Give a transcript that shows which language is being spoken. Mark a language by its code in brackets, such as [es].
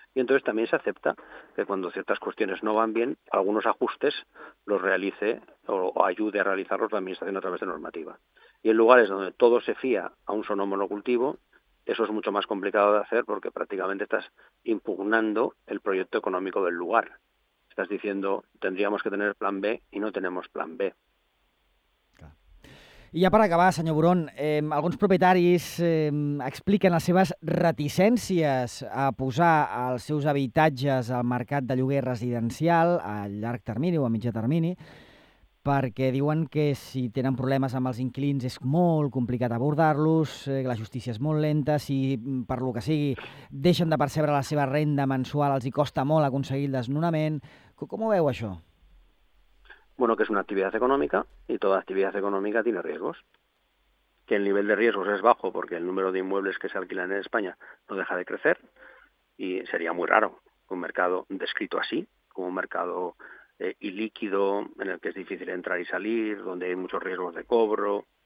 [es] Y entonces también se acepta que cuando ciertas cuestiones no van bien, algunos ajustes los realice o ayude a realizarlos la Administración a través de normativa. Y en lugares donde todo se fía a un solo monocultivo, eso es mucho más complicado de hacer porque prácticamente estás impugnando el proyecto económico del lugar. Estás diciendo, tendríamos que tener plan B y no tenemos plan B. [ca] I ja per acabar, senyor Burón, alguns propietaris expliquen les seves reticències a posar els seus habitatges al mercat de lloguer residencial a llarg termini o a mitjà termini, perquè diuen que si tenen problemes amb els inquilins és molt complicat abordar-los, que la justícia és molt lenta, si, per lo que sigui, deixen de percebre la seva renda mensual, els hi costa molt aconseguir el desnonament. Com ho veu, això? [es] Bueno, que es una actividad económica y toda actividad económica tiene riesgos. Que el nivel de riesgos es bajo porque el número de inmuebles que se alquilan en España no deja de crecer y sería muy raro un mercado descrito así, como un mercado ilíquido, en el que es difícil entrar y salir, donde hay muchos riesgos de cobro.